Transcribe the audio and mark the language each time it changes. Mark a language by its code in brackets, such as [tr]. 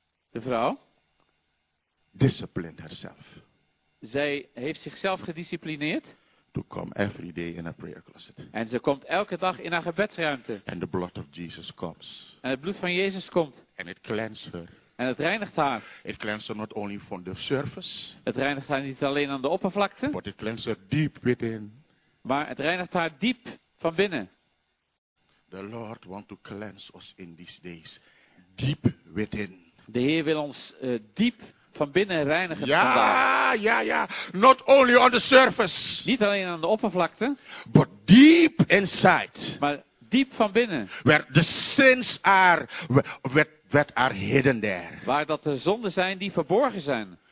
[nl] De vrouw. [en] Discipline herself. [nl] Zij heeft zichzelf gedisciplineerd. [en] To come every day in her prayer closet. [nl] En ze komt elke dag in haar gebedsruimte. [en] And the blood of Jesus comes. [nl] En het bloed van Jezus komt. [en] And it cleanses her. [nl] En het reinigt haar. [en] It cleanses her not only from the surface. [nl] Het reinigt haar niet alleen aan de oppervlakte. [en] But it cleanses her deep within. [nl] Maar het reinigt haar diep van binnen. [en] The Lord wants to cleanse us in these days, deep within. [nl] De Heer wil ons diep van binnen reinigen. [en] Ja, ja, ja. Not only on the surface. [nl] Niet alleen aan de oppervlakte. [en] But deep inside. [nl] Maar diep van binnen. [en] Where the sins are, that are hidden there. [nl] Waar dat de zonden zijn die verborgen zijn.